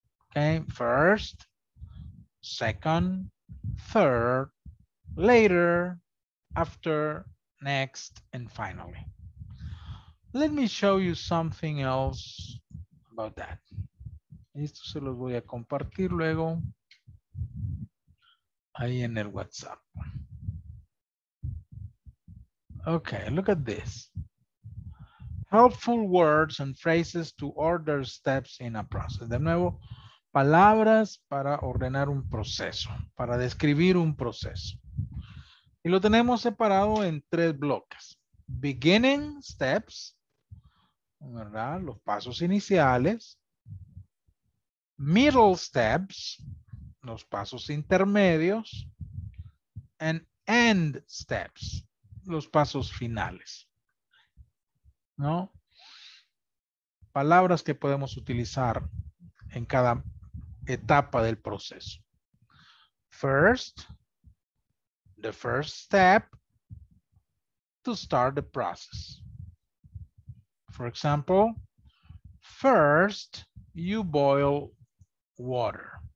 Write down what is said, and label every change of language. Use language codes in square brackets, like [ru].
[en] Okay, first, second, third, later, after, next, and finally. Let me show you something else about that. [es] Esto se los voy a compartir luego ahí en el WhatsApp. [en] Okay, look at this. Helpful words and phrases to order steps in a process. [es] De nuevo, palabras para ordenar un proceso, para describir un proceso. Y lo tenemos separado en tres bloques. [en] Beginning steps, [es] ¿verdad? Los pasos iniciales. [en] Middle steps, [es] los pasos intermedios, [en] and end steps, [es] los pasos finales, ¿no? Palabras que podemos utilizar en cada etapa del proceso. [en] First, the first step to start the process. For example, first you boil water.